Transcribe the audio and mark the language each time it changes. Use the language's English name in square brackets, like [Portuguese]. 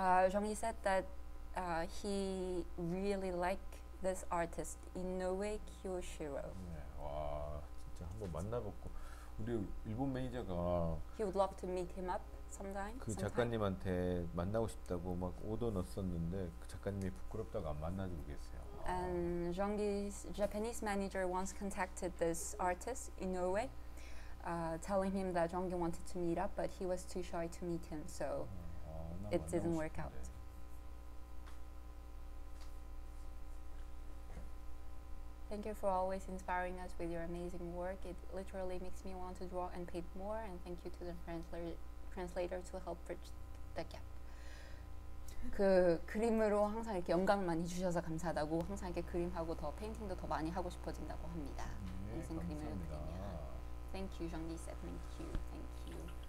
[English] Zhonggi said that he really liked this artist, 이노우에 키요시로. [Korean] 네. 와, 진짜 한번 만나보고 우리 일본 매니저가 [English] He would love to meet him up. Sometimes, [Korean] 그 작가님한테 만나고 싶다고 막 오더 넣었었는데 그 작가님이 부끄럽다고 안 만나주고 계세요. [English] And Zhonggi's Japanese manager once contacted this artist Inoue, telling him that Zhonggi wanted to meet up, but he was too shy to meet him, so [Korean] 아, [English] it didn't work [Korean] 싶은데. [English] out. 땡큐 for always inspiring us with your amazing work. It literally makes me want to draw and paint more. And thank you to the translator. Translator to help bridge the gap. [Korean] 그 그림으로 항상 이렇게 영감 많이 주셔서 감사하다고 항상 이렇게 그림하고 더 페인팅도 더 많이 하고 싶어진다고 합니다. 네, 무슨 그림을 그리냐. [English] Thank you, Zhonggi. Thank you. Thank you.